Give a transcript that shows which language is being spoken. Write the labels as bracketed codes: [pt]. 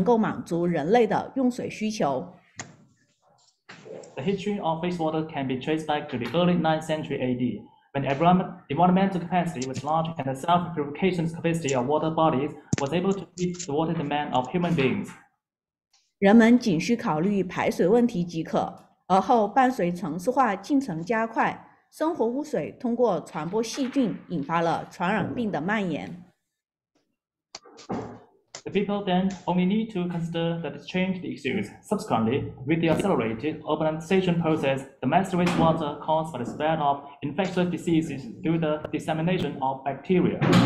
[zh] 污水处理历史可以追溯到公元九世纪初，那个时期环境容量大，水体的自净能力已经能够满足人类的用水需求。 [en] The history of wastewater can be traced back to the early 9th century AD, when environmental capacity was large and the self-purification capacity of water bodies was able to meet the water demand of human beings. [zh] 人们仅需考虑排水问题即可，而后伴随城市化进程加快，生活污水通过传播细菌引发了传染病的蔓延。 [en] The people then only need to consider that it's changed the issues. Subsequently, with the accelerated urbanization process, the mass wastewater caused by the spread of infectious diseases through the dissemination of bacteria.